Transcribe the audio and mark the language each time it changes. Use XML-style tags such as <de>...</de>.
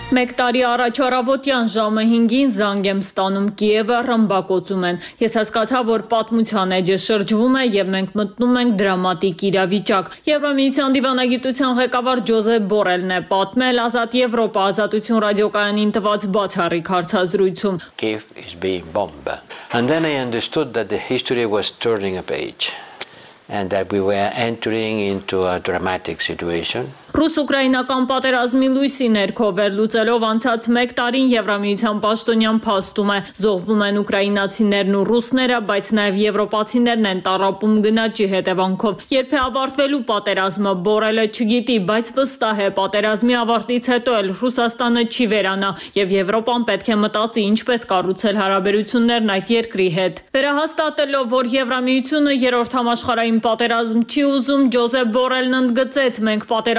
<hy>1 տարի առաջ առավոտյան ժամը 5-ին զանգ եմ ստանում Կիևը ռմբակ կոծում են։ Ես հասկացա, որ պատմության էջը շրջվում է եւ մենք մտնում ենք դրամատիկ իրավիճակ։ Եվրամիության դիվանագիտության ղեկավար Ժոզեփ Բորելն է պատմել Ազատ Եվրոպա ազատություն ռադիոկայանին տված բացառիկ հարցազրույցում։</hy> <en>Kiev is being bombed. And then I understood that the history was turning a page and that we were entering into a dramatic situation.</en> <hy>Ռուս-ուկրաինական պատերազմի լույսի ներքո վերլուծելով անցած 1 տարին Եվրամիության պաշտոնյան փաստում է, զոհվում են ուկրաինացիներն ու ռուսները, բայց նաև եվրոպացիներն են տարապում գնաճի հետևանքով։ Երբ է ավարտվելու պատերազմը, Բորելը չգիտի, բայց վստահ է, պատերազմի ավարտից հետո էլ Ռուսաստանը չի վերանա, եւ Եվրոպան պետք է մտածի, ինչպես կառուցել հարաբերություններն այդ երկրի հետ։ Վերահաստատելով, որ Եվրամիությունը երրորդ համաշխարհային պատերազմ չի ուզում, Ժոզեփ Բորելն ընդգծեց, մենք</hy>